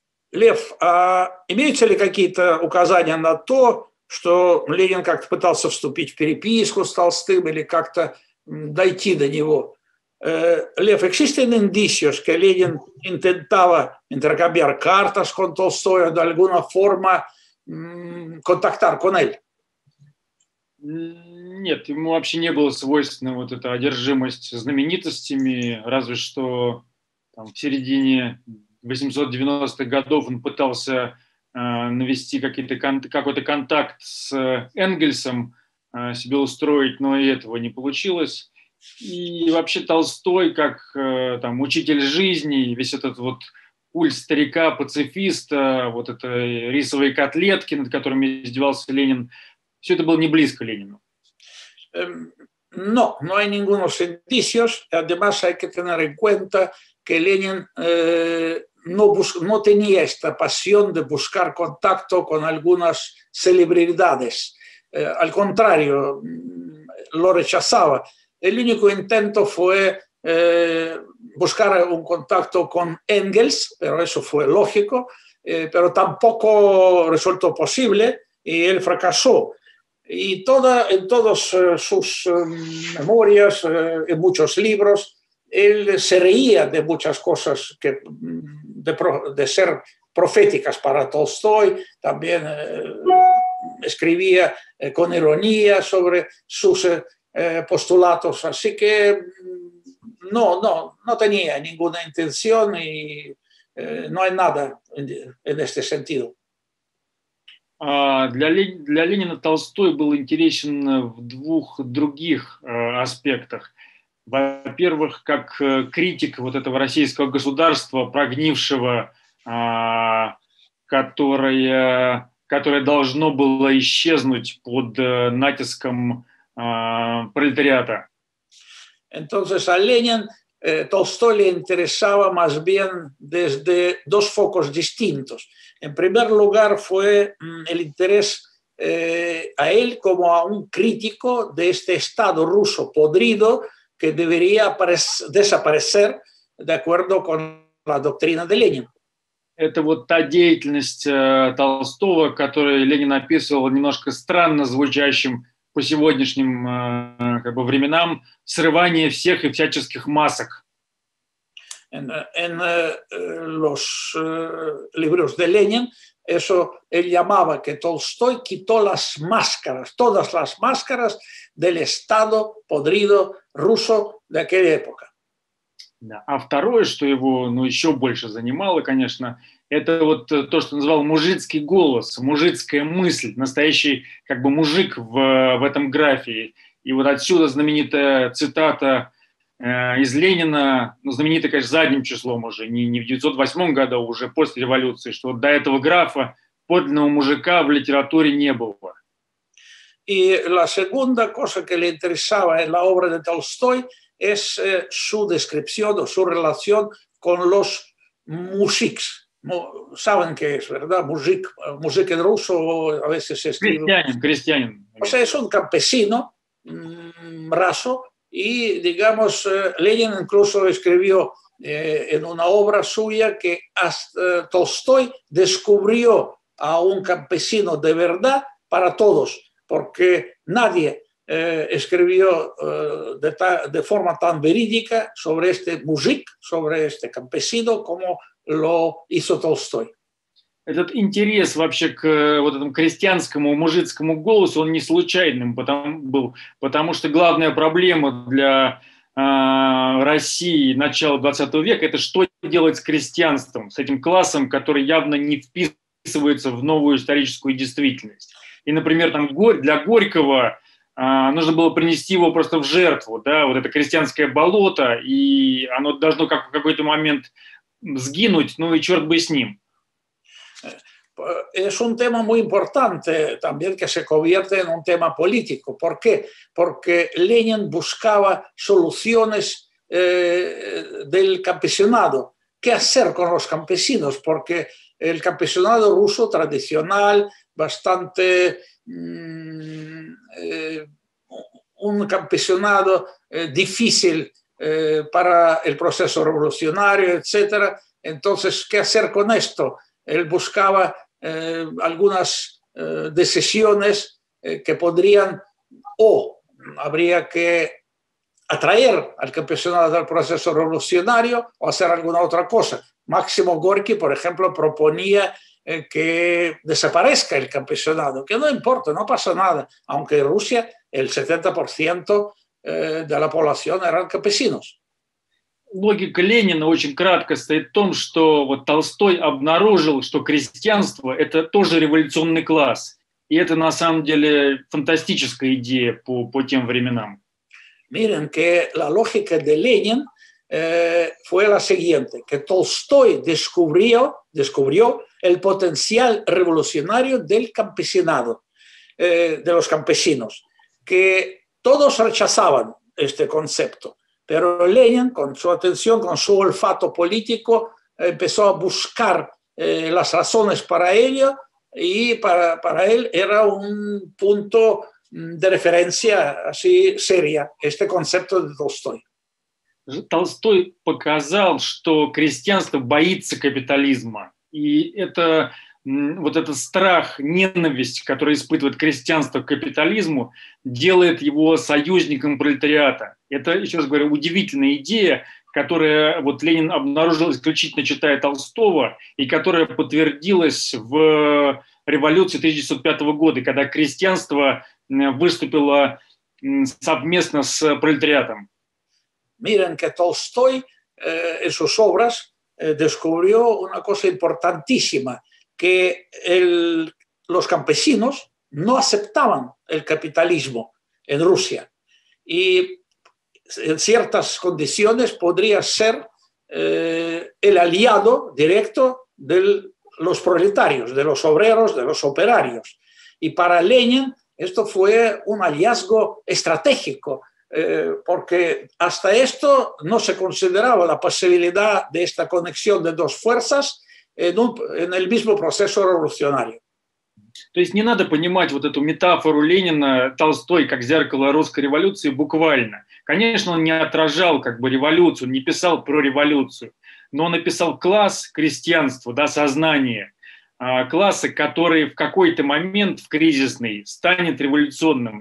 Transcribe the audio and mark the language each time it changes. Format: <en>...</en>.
<ru>Лев, а имеются ли какие-то указания на то, что Ленин как-то пытался вступить в переписку с Толстым или как-то дойти до него?</ru> <es>Лев, existen indicios que Ленин intentaba intercambiar cartas con Толстой, de alguna forma contactar con él?</es> <ru>Нет, ему вообще не было свойственно вот эта одержимость знаменитостями, разве что там, в середине 890-х годов он пытался навести какой-то контакт с Энгельсом, себе устроить, но и этого не получилось. И вообще Толстой, как там, учитель жизни, весь этот вот культ старика-пацифиста, вот это рисовые котлетки, над которыми издевался Ленин, все это было не близко Ленину. Но,</ru> <es>no hay ningunos indicios, además hay que tener en cuenta que Ленин no tenía esta pasión de buscar contacto con algunas celebridades. Al contrario, lo rechazaba. El único intento fue buscar un contacto con Engels, pero eso fue lógico, pero tampoco resultó posible y él fracasó. Y en todas sus memorias, en muchos libros, él se reía de muchas cosas que de ser proféticas para Tolstoy, también escribía con ironía sobre sus postulados. Así que No tenía ninguna intención y no hay nada en este sentido.</es> <ru>Для Ленина Толстой был интересен в двух других аспектах. Во-первых, как критик вот этого российского государства, прогнившего, которое должно было исчезнуть под натиском пролетариата.</ru> <es>Entonces, a Lenin, Толстой le interesaba más bien desde dos focos distintos. En primer lugar, fue el interés a él como a un crítico de este Estado ruso podrido que debería desaparecer de acuerdo con la doctrina de Lenin.</es> <ru>Это вот та деятельность Толстого, которую Ленин описывал немножко странно звучащим по сегодняшним временам, срывание всех и всяческих масок.</ru> <es>En los libros de Lenin, eso él llamaba que Tolstoy quitó las máscaras, todas las máscaras del Estado podrido ruso de aquella época.</es> <ru>Да. А второе, что его еще больше занимало, конечно, это вот то, что называл мужицкий голос, мужицкая мысль, настоящий мужик в этом графе. И вот отсюда знаменитая цитата из Ленина, знаменитая, конечно, задним числом уже, не в 1908 году, а уже после революции, что вот до этого графа подлинного мужика в литературе не было. И</ru> <es>la segunda cosa que le interesaba en la obra de Толстой es su descripción o su relación con los músics. Saben qué es, ¿verdad? Music, music en ruso, a veces se escribe...</es> <ru>Крестьянин.</ru> <es>O sea, es un campesino raso y, digamos, Lenin incluso escribió en una obra suya que hasta Tolstoy descubrió a un campesino de verdad para todos, porque nadie escribió de forma tan verídica sobre este music, sobre este campesino, como lo hizo Толстой.</es> <ru>Этот интерес вообще к вот этому крестьянскому, мужицкому голосу, он не случайным потому что главная проблема для России начала 20 века – это что делать с крестьянством, с этим классом, который явно не вписывается в новую историческую действительность. И, например, для Горького нужно было принести его просто в жертву, да, вот это крестьянское болото, и оно должно в какой-то момент сгинуть, ну и черт бы с ним.</ru> <es>Es un tema muy importante también que se convierte en un tema político. ¿Por qué? Porque Lenin buscaba soluciones del campesinado. ¿Qué hacer con los campesinos? Porque el campesinado ruso tradicional, bastante un campesinado difícil para el proceso revolucionario, etc. Entonces, ¿qué hacer con esto? Él buscaba algunas decisiones que podrían o habría que atraer al campesinado al proceso revolucionario o hacer alguna otra cosa. Máximo Gorki, por ejemplo, proponía que desaparezca el campesinado, que no importa, no pasa nada, aunque en Rusia el 70% de la población eran campesinos.</es> <ru>Логика Ленина очень кратко стоит в том, что вот Толстой обнаружил, что крестьянство – это тоже революционный класс. И это, на самом деле, фантастическая идея по тем временам.</ru> <es>Miren, que la lógica de Lenin fue la siguiente, que Толстой descubrió el potencial revolucionario del campesinado, de los campesinos, que todos rechazaban este concepto. Pero Lenin, con su atención, con su olfato político, empezó a buscar las razones para ello y para él era un punto de referencia así seria, este concepto de Tolstoy.</es> <ru>Tolstoy показал, что крестьянство боится капитализма. И это вот этот страх, ненависть, который испытывает крестьянство к капитализму, делает его союзником пролетариата. Это, еще раз говорю, удивительная идея, которую вот Ленин обнаружил, исключительно читая Толстого, и которая подтвердилась в революции 1905 года, когда крестьянство выступило совместно с пролетариатом.</ru> <es>miren que Толстой en sus obras descubrió una cosa importantísima, que los campesinos no aceptaban el capitalismo en Rusia y en ciertas condiciones podría ser el aliado directo de los proletarios, de los obreros, de los operarios. Y para Lenin esto fue un hallazgo estratégico, porque hasta esto no se consideraba la posibilidad de esta conexión de dos fuerzas en el mismo proceso revolucionario.</es> <ru>То есть не надо понимать вот эту метафору Ленина, Толстой, как зеркало русской революции буквально. Конечно, он не отражал как бы революцию, не писал про революцию, но он написал класс, крестьянство, да, сознание, классы, который в какой-то момент в кризисный станет революционным.</ru>